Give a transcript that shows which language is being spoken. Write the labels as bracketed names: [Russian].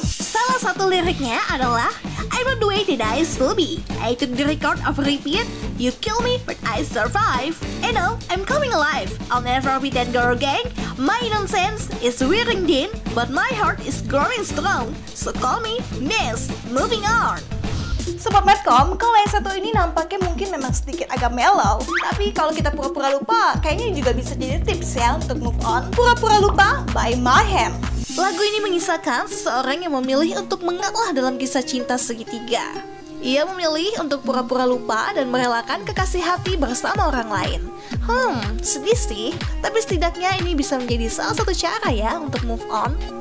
[Indonesian] Salah satu liriknya adalah [English] I want the way that I still be. I took the record of repeat, you kill me but I survive. You know, I'm coming alive. I'll never be that girl again. My innocence is wearing thin, but my heart is growing strong. So call me Miss Moving On. [Indonesian] Sobat Metcom, kalau yang satu ini nampaknya mungkin memang sedikit agak mellow. Tapi kalau kita pura-pura lupa, kayaknya juga bisa jadi tips ya untuk move on. Pura-pura Lupa by Mayhem. Lagu ini mengisahkan seseorang yang memilih untuk mengalah dalam kisah cinta segitiga. Ia memilih untuk pura-pura lupa dan merelakan kekasih hati bersama orang lain. Sedih sih, tapi setidaknya ini bisa menjadi salah satu cara ya untuk move on.